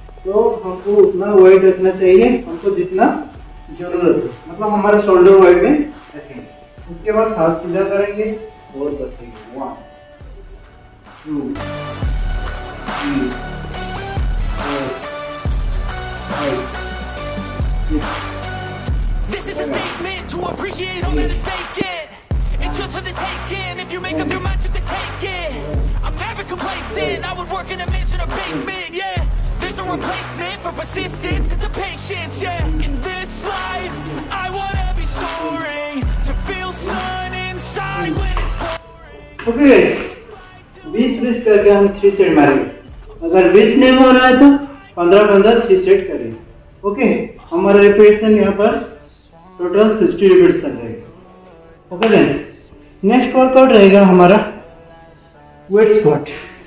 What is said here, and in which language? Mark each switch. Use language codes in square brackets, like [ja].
[hi] तो हमको उतना वाइड रखना चाहिए, हमको जितना जरूरत है, मतलब हमारा शोल्डर वाइड में रखेंगे। उसके बाद हाथ सीधा करेंगे और रखेंगे 1, 2, 3, 4, 5, 6. [en] This is a statement to appreciate all that is vacant. It's just for the taking. If you make up your mind, you can take it. I'm never complacent. I would work in a mansion or basement. Yeah, there's no replacement for persistence. It's a patience. Yeah, in this life, I wanna be soaring to feel sun inside when it's pouring. Okay, guys. [hi] 20-20 करके हम 3 set मारेंगे। अगर 20 नहीं हो रहा है तो 15-15 3 set करेंगे। ओके, हमारा रिपीटेशन यहाँ पर टोटल 60 रिपीटेशन रहेगा। ओके, देन नेक्स्ट वर्कआउट रहेगा हमारा वेट स्क्वाट।